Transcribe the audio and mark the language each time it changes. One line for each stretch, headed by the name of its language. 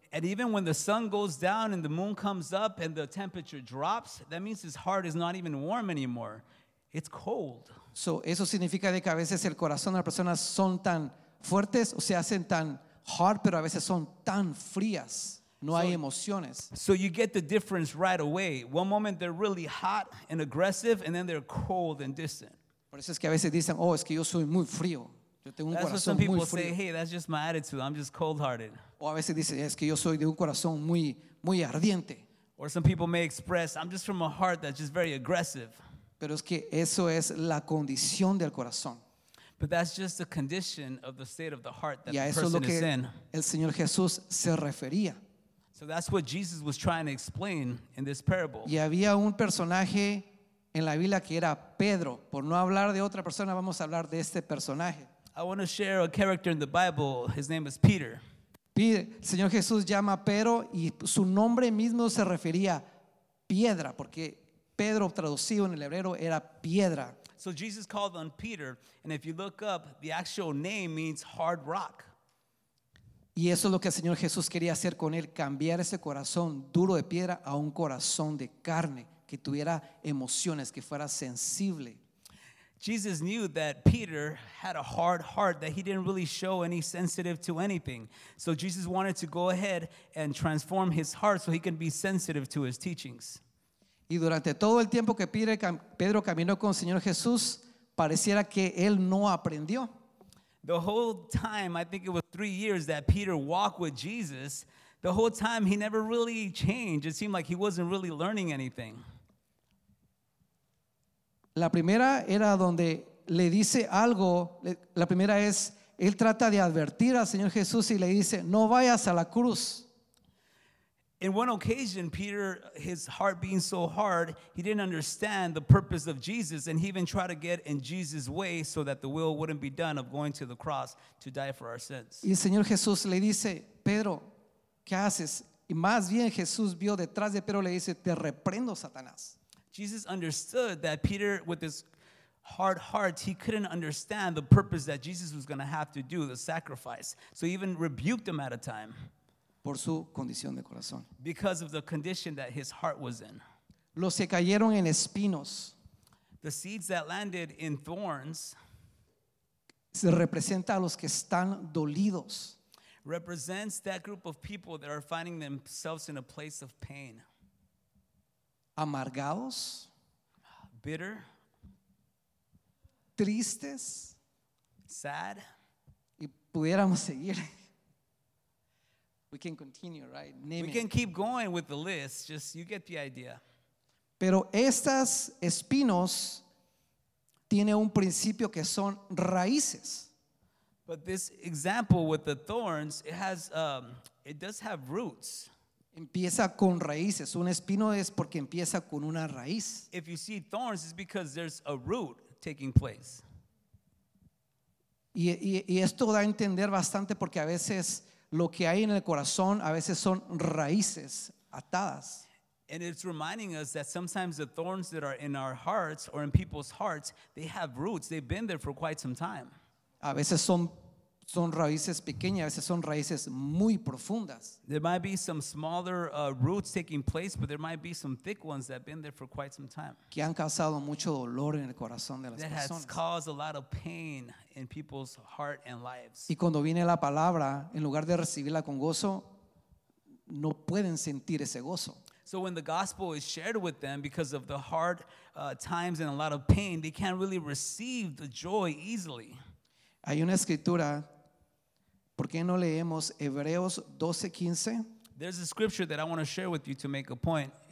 English: And even when the sun goes down and the moon comes up and the temperature drops, that means his heart is not even warm anymore. It's cold.
Spanish: So eso significa de que a veces el corazón de las personas son tan fuertes o se hacen tan hard, pero a veces son tan frías. No hay emociones.
English: So you get the difference right away. One moment they're really hot and aggressive, and then they're cold and distant.
Spanish: Por eso es que a veces dicen, oh, es que yo soy muy frío. Yo tengo un corazón
English: That's what some people say. Hey, that's just my attitude. I'm just cold-hearted.
Spanish: O a veces dicen, es que yo soy de un corazón muy, muy ardiente.
English: Or some people may express, I'm just from a heart that's just very aggressive.
Spanish: Pero es que eso es la condición del corazón.
English: But that's just the condition of the state of the heart that the person is in.
Spanish: El Señor Jesús se refería.
English: So that's what Jesus was trying to explain in this parable.
Spanish: Y había un personaje en la Biblia que era Pedro. Por no hablar de otra persona, vamos a hablar de este personaje.
English: I want to share a character in the Bible. His name is Peter.
Spanish: El Señor Jesús llama a Pedro y su nombre mismo se refería piedra, porque Pedro traducido en el hebreo era piedra.
English: So Jesus called on Peter, and if you look up, the actual name means hard rock.
Spanish: Y eso es lo que el Señor Jesús quería hacer con él, cambiar ese corazón duro de piedra a un corazón de carne, que tuviera emociones, que fuera sensible.
English: Jesus knew that Peter had a hard heart, that he didn't really show any sensitive to anything. So Jesus wanted to go ahead and transform his heart so he can be sensitive to his teachings.
Spanish: Y durante todo el tiempo que Pedro caminó con el Señor Jesús, pareciera que él no aprendió.
English: The whole time, I think it was 3 years that Peter walked with Jesus, the whole time he never really changed. It seemed like he wasn't really learning anything.
Spanish: La primera era donde le dice algo, la primera es, él trata de advertir al Señor Jesús y le dice, no vayas a la cruz.
English: In one occasion, Peter, his heart being so hard, he didn't understand the purpose of Jesus, and he even tried to get in Jesus' way so that the will wouldn't be done of going to the cross to die for our sins.
Spanish: Y el Señor Jesús le dice, Pedro, ¿qué haces? Y más bien Jesús vio detrás de Pedro, le dice, te reprendo, Satanás.
English: Jesus understood that Peter, with his hard heart, he couldn't understand the purpose that Jesus was going to have to do, the sacrifice. So he even rebuked him at a time.
Spanish: Por su condición de corazón.
English: Because of the condition that his heart was in.
Spanish: Los que cayeron en espinos.
English: The seeds that landed in thorns.
Spanish: Se representa a los que están dolidos.
English: Represents that group of people that are finding themselves in a place of pain.
Spanish: Amargados.
English: Bitter.
Spanish: Tristes.
English: Sad.
Spanish: Y pudiéramos seguir.
English: We can continue, right? Name we it. Can keep going with the list. Just, you get the idea.
Spanish: Pero estas espinos tiene un principio que son raíces.
English: But this example with the thorns, it has, it does have roots.
Spanish: Empieza con raíces. Un espino es porque empieza con una raíz.
English: If you see thorns, it's because there's a root taking place.
Spanish: Y esto da a entender bastante porque a veces lo que hay en el corazón a veces son raíces atadas.
English: And it's reminding us that sometimes the thorns that are in our hearts or in people's hearts, they have roots. They've been there for quite some time.
Spanish: A veces son raíces pequeñas, a veces son raíces muy profundas.
English: There might be some smaller roots taking place, but there might be some thick ones that have been there for quite some time.
Spanish: Que han causado mucho dolor en el corazón de las personas.
English: That has caused a lot of pain in people's heart and lives.
Spanish: Y cuando viene la palabra, en lugar de recibirla con gozo, no pueden sentir ese gozo.
English: So when the gospel is shared with them because of the hard times and a lot of pain, they can't really receive the joy easily.
Spanish: Hay una escritura, ¿por qué no leemos Hebreos 12:15?
English: There's a scripture that I want to share with you to make a point.